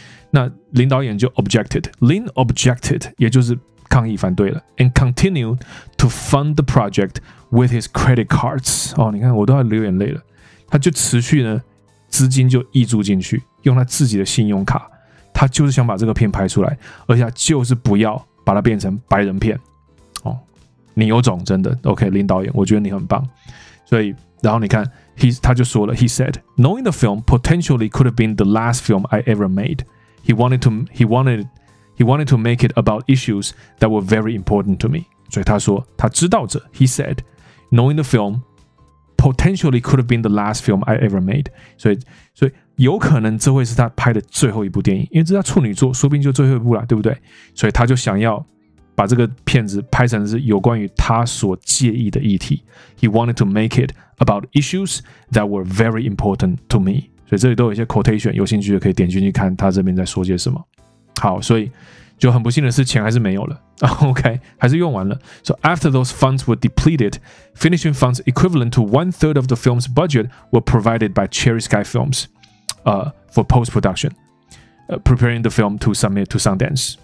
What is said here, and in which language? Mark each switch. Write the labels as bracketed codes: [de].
[zh] 那林导演就 [en] objected，Lin objected， [zh] 也就是抗议反对了 [en] ，and continued to fund the project with his credit cards。 [zh] 哦，你看我都要流眼泪了。他就持续呢，资金就溢注进去，用他自己的信用卡。他就是想把这个片拍出来，而且他就是不要把它变成白人片。哦，你有种，真的 OK， 林导演，我觉得你很棒。所以，然后你看 他就说了 [en] ，He said knowing the film potentially could have been the last film I ever made。 He wanted to make it about issues that were very important to me. [zh] 所以他说他知道着 [en] He said knowing the film potentially could have been the last film I ever made [zh] 所以有可能这会是他拍的最后一部电影，因为这是他处女作，说不定就最后一部了，对不对？所以他就想要把这个片子拍成是有关于他所介意的议题。 [en] He wanted to make it about issues that were very important to me。 [zh] 所以这里都有一些 quotation， 有兴趣的可以点进去看他这边在说些什么。好，所以就很不幸的是钱还是没有了。 OK， 还是用完了。 [en] So after those funds were depleted, finishing funds equivalent to 1/3 of the film's budget were provided by Cherry Sky Films。 For post-production, preparing the film to submit to Sundance.